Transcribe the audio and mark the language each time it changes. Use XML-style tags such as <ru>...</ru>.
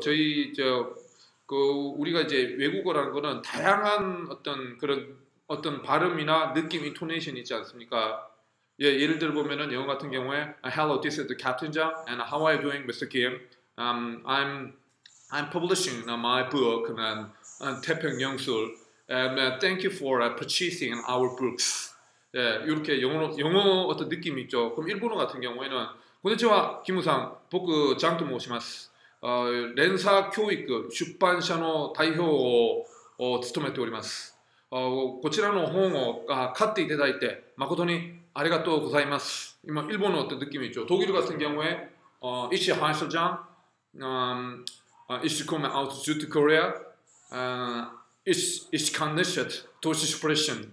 <ko>저희 우리가 이제 외국어라는 거는 다양한 어떤 그런 어떤 발음이나 느낌, 인토네이션이 있지 않습니까? 예를 들어 보면은 영어 같은 경우에</ko> <en>Hello, this is the Captain John, and how are you doing, Mr. Kim? I'm publishing my book and 태평영술 and thank you for purchasing our books.</en> <ko>이렇게 영어 어떤 느낌이 있죠. 그럼 일본어 같은 경우에는</ko> <ja>こんにちは, 김우상, 僕, ジャンと申します。連鎖教育出版社の代表を務めております。こちらの本を買っていただいて誠にありがとうございます。今、日本の</ja> <ko>느낌이죠。 독일같은경우에、</ko> <de>Ich heiße John, ich komme aus Südkorea, ich kann nicht Deutsch sprechen.</de>